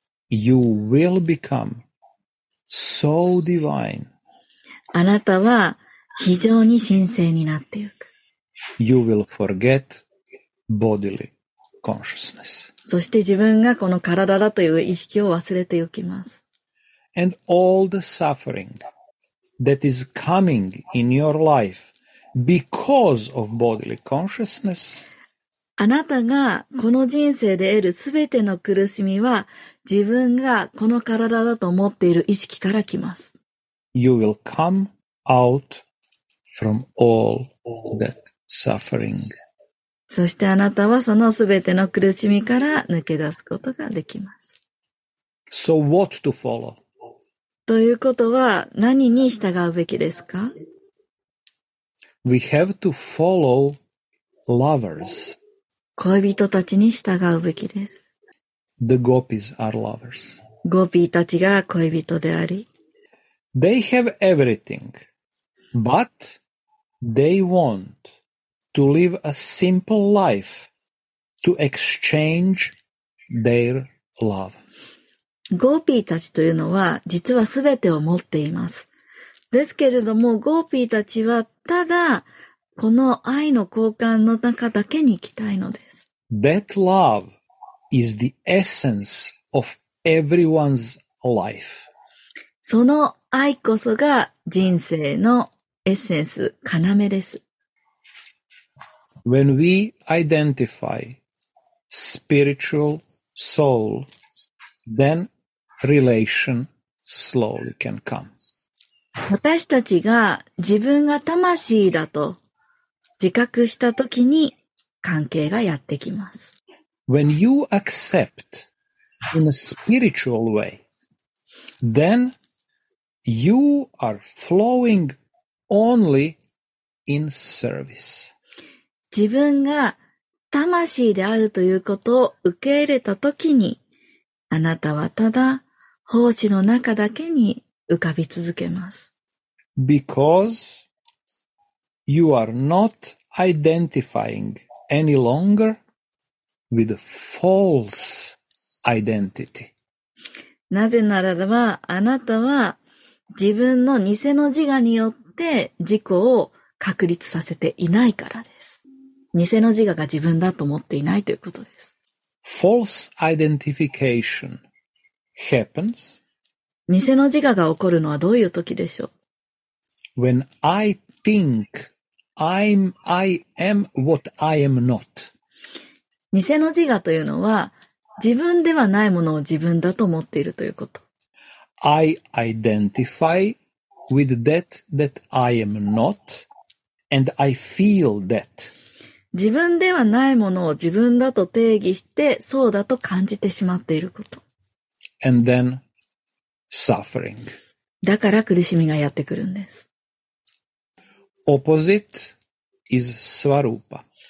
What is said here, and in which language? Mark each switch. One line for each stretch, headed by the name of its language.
English: You will become so divine.
Japanese: あなたは非常に神聖になっていく。
English: You will forget bodily consciousness.
Japanese: そして自分がこの体だという意識を忘れていきます。
English: And all the suffering that is coming in your life because of bodily consciousness.
Japanese: あなたがこの人生で得るすべての苦しみは自分がこの体だと思っている意識から来ます。
English: You will come out from all that suffering.
Japanese: そしてあなたはそのすべての苦しみから抜け出すことができます。
English: So what to follow?
Japanese: ということは何に従うべきですか?
English: We have to follow lovers.
Japanese: 恋人たちに従うべきです。
English: The gopis are lovers.
Japanese: ゴピーたちが恋人であり。
English: They have everything, but they want to live a simple life to exchange their love.
Japanese: ゴピーたちというのは実はすべてを持っています。ですけれども、ゴピーたちはただこの愛の交換の中だけに行きたいのです。
English: That love is the essence of everyone's life.
Japanese: その愛こそが人生のエッセンス、要です。
English: When we identify spiritual soul, then relation slowly can come.
Japanese: 私たちが自分が魂だと自覚したときに関係がやってきます。
English: When you accept in a spiritual way, then you are flowing only in service.
Japanese: 自分が魂であるということを受け入れたときに、あなたはただ奉仕の中だけに浮かび続けます。
English: Because you are not identifying any longer with a false identity.
Japanese: なぜならば、あなたは自分の偽の自我によって自己を確立させていないからです。偽の自我が自分だと思っていないということです。
English: False identification happens.
Japanese: 偽の自我が起こるのはどういう時でしょう?
English: When I think I am what I am not.
Japanese: 偽の自我というのは自分ではないものを自分だと思っているということ。
English: I identify with that I am not and I feel that.
Japanese: 自分ではないものを自分だと定義してそうだと感じてしまっていること。
English: And then suffering.
Japanese: だから苦しみがやってくるんです。
English: Opposite is Svarupa.